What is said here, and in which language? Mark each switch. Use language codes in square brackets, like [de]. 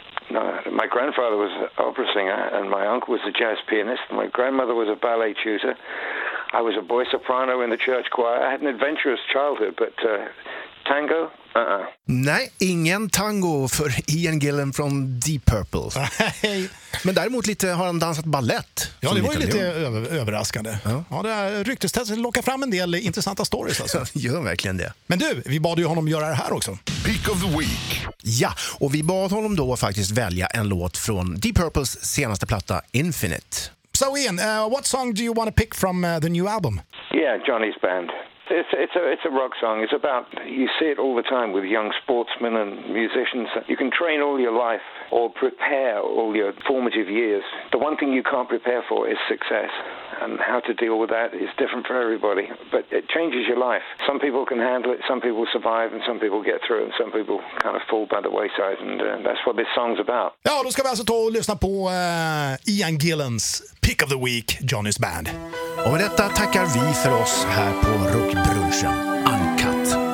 [en] My grandfather was an opera singer and my uncle was a jazz pianist. My grandmother was a ballet tutor. I was a boy soprano in the church choir. I had an adventurous childhood, but... Tango? [sv] Nej, ingen tango för Ian Gillan från Deep Purple. Nej. Men däremot lite, har han dansat ballett. Ja, det var ju lite överraskande. Ja. Ja, det här ryktestestet lockar fram en del intressanta stories. Alltså. Gör verkligen det. Men du, vi bad ju honom göra det här också. [en] Pick of the week. [sv] Ja, och vi bad honom då faktiskt välja en låt från Deep Purples senaste platta Infinite. [en] So Ian, what song do you want to pick from the new album? Yeah, Johnny's Band. It's a rock song. It's about, you see it all the time with young sportsmen and musicians. You can train all your life or prepare all your formative years. The one thing you can't prepare for is success. And how to deal with that is different for everybody. But it changes your life. Some people can handle it, some people survive, and some people get through, and some people kind of fall by the wayside. And that's what this song's about. [sv] Ja, då ska vi alltså ta och lyssna på Ian Gillans Pick of the Week, Johnny's Band. Och med detta tackar vi för oss här på Rockbrunchen Uncut.